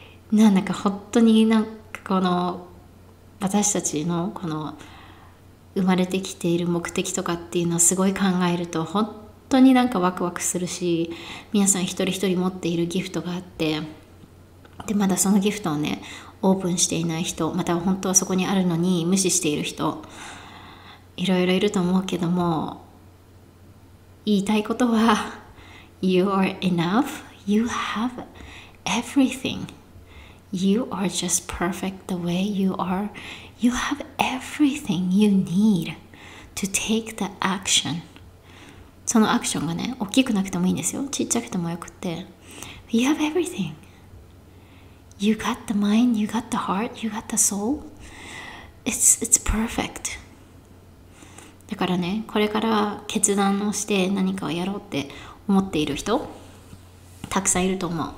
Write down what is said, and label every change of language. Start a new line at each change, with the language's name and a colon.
Japanese: なんだか本当になんかこの私たちのこの生まれてきている目的とかっていうのをすごい考えると、本当になんかワクワクするし、皆さん一人一人持っているギフトがあって、でまだそのギフトをねオープンしていない人、または本当はそこにあるのに無視している人、いろいろいると思うけども、言いたいことは
English: You are enough. You have everything. You are just perfect the way you are. You have everything you need to take the action.
Japanese: そのアクションがね、大きくなくてもいいんですよ。ちっちゃくてもよくて。
English: You have everything. You got the mind. You got the heart. You got the soul. It's perfect.
Japanese: だからね、これから決断をして何かをやろうって思っている人たくさんいると思う。